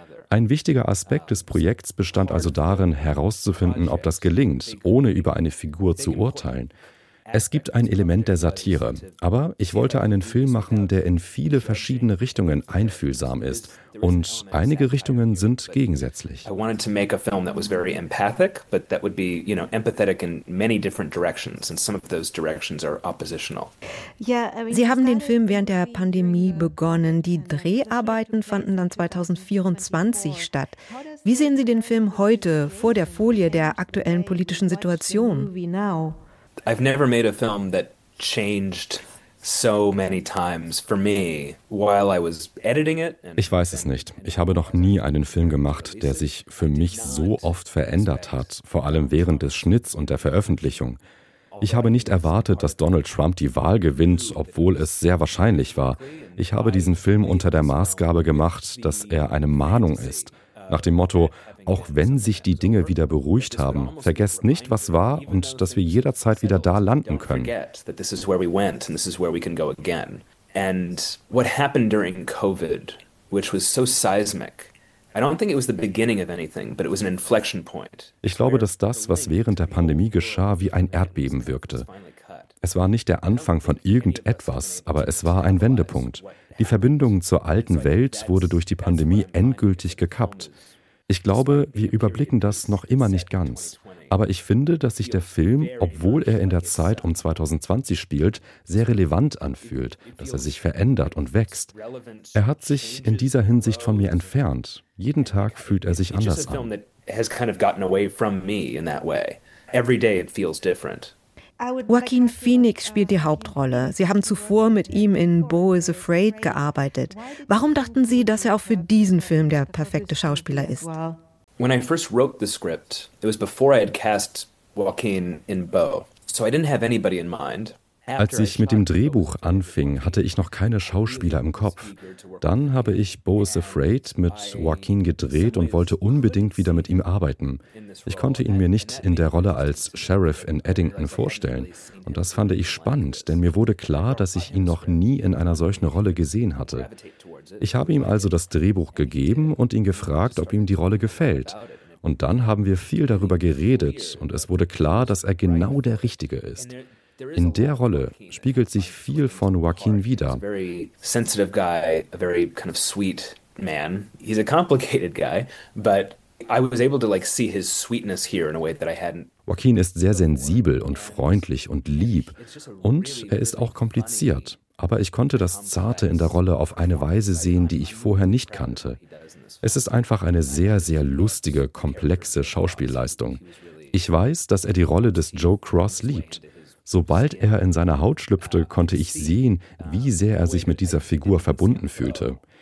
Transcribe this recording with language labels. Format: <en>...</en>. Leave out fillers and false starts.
<de>Ein wichtiger Aspekt des Projekts bestand also darin, herauszufinden, ob das gelingt, ohne über eine Figur zu urteilen. Es gibt ein Element der Satire, aber ich wollte einen Film machen, der in viele verschiedene Richtungen einfühlsam ist. Und einige Richtungen sind gegensätzlich.</de> <en>I wanted to make a film that was very empathic, but that would be, you know, empathetic in many different directions, and some of those directions are oppositional.</en> <de>Sie haben den Film während der Pandemie begonnen. Die Dreharbeiten fanden dann 2024 statt. Wie sehen Sie den Film heute vor der Folie der aktuellen politischen Situation?</de> <en>I've never made a film that changed so many times for me while I was editing it.</en> <de>Ich weiß es nicht. Ich habe noch nie einen Film gemacht, der sich für mich so oft verändert hat, vor allem während des Schnitts und der Veröffentlichung. Ich habe nicht erwartet, dass Donald Trump die Wahl gewinnt, obwohl es sehr wahrscheinlich war. Ich habe diesen Film unter der Maßgabe gemacht, dass er eine Mahnung ist. Nach dem Motto, auch wenn sich die Dinge wieder beruhigt haben, vergesst nicht, was war und dass wir jederzeit wieder da landen können.</de> <en>This is where we went and this is where we can go again. And what happened during COVID, which was so seismic. I don't think it was the beginning of anything, but it was an inflection point.</en> <de>Ich glaube, dass das, was während der Pandemie geschah, wie ein Erdbeben wirkte. Es war nicht der Anfang von irgendetwas, aber es war ein Wendepunkt. Die Verbindung zur alten Welt wurde durch die Pandemie endgültig gekappt. Ich glaube, wir überblicken das noch immer nicht ganz. Aber ich finde, dass sich der Film, obwohl er in der Zeit um 2020 spielt, sehr relevant anfühlt, dass er sich verändert und wächst. Er hat sich in dieser Hinsicht von mir entfernt. Jeden Tag fühlt er sich anders an. Joaquin Phoenix spielt die Hauptrolle. Sie haben zuvor mit ihm in Beau is Afraid gearbeitet. Warum dachten Sie, dass er auch für diesen Film der perfekte Schauspieler ist?</de> <en>When I first wrote the script, it was before I had cast Joaquin in Beau. So I didn't have anybody in mind.</en> <de>Als ich mit dem Drehbuch anfing, hatte ich noch keine Schauspieler im Kopf. Dann habe ich Beau is Afraid mit Joaquin gedreht und wollte unbedingt wieder mit ihm arbeiten. Ich konnte ihn mir nicht in der Rolle als Sheriff in Eddington vorstellen. Und das fand ich spannend, denn mir wurde klar, dass ich ihn noch nie in einer solchen Rolle gesehen hatte. Ich habe ihm also das Drehbuch gegeben und ihn gefragt, ob ihm die Rolle gefällt. Und dann haben wir viel darüber geredet und es wurde klar, dass er genau der Richtige ist. In der Rolle spiegelt sich viel von Joaquin wider.</de> <en>A very sensitive guy, a very kind of sweet man. He's a complicated guy, but I was able to like see his sweetness here in a way that I hadn't.</en> <de>Joaquin ist sehr sensibel und freundlich und lieb und er ist auch kompliziert, aber ich konnte das Zarte in der Rolle auf eine Weise sehen, die ich vorher nicht kannte. Es ist einfach eine sehr, sehr lustige, komplexe Schauspielleistung. Ich weiß, dass er die Rolle des Joe Cross liebt. Sobald er in seine Haut schlüpfte, konnte ich sehen, wie sehr er sich mit dieser Figur verbunden fühlte.</de>